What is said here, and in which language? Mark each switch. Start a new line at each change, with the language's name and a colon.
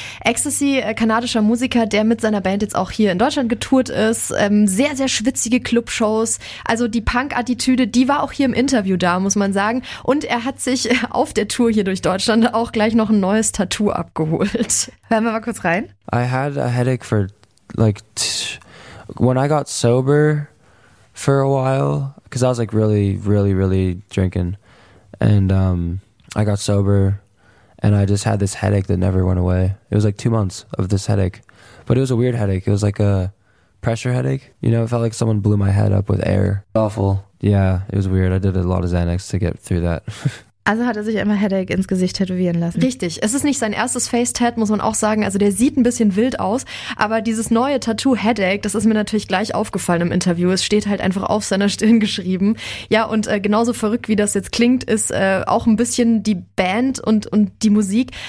German: Ecstasy, kanadischer Musiker, der mit seiner Band jetzt auch hier in Deutschland getourt ist. Sehr, sehr schwitzige Clubshows. Also die Punk-Attitüde, die war auch hier im Interview da, muss man sagen. Und er hat sich auf der Tour hier durch Deutschland auch gleich noch ein neues Tattoo abgeholt. Hören wir mal kurz rein.
English: I had a headache for like when I got sober for a while, because I was like really, really, really drinking. And I got sober and I just had this headache that never went away. It was like 2 months of this headache. But it was a weird headache. It was like a pressure headache. You know, it felt like someone blew my head up with air. Awful. Yeah, it was weird. I did a lot of Xanax to get through that.
German: Also hat er sich einmal Headache ins Gesicht tätowieren lassen. Richtig. Es ist nicht sein erstes Face-Tat, muss man auch sagen. Also der sieht ein bisschen wild aus. Aber dieses neue Tattoo Headache, das ist mir natürlich gleich aufgefallen im Interview. Es steht halt einfach auf seiner Stirn geschrieben. Ja, und genauso verrückt, wie das jetzt klingt, ist auch ein bisschen die Band und die Musik.